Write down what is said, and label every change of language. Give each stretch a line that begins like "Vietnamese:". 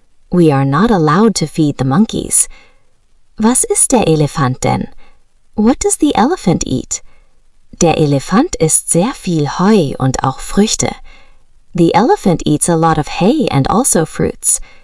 English: We are not allowed to feed the monkeys.
German: Was isst der Elefant denn?
English: What does the elephant eat?
German: Der Elefant isst sehr viel Heu und auch Früchte.
English: The elephant eats a lot of hay and also fruits.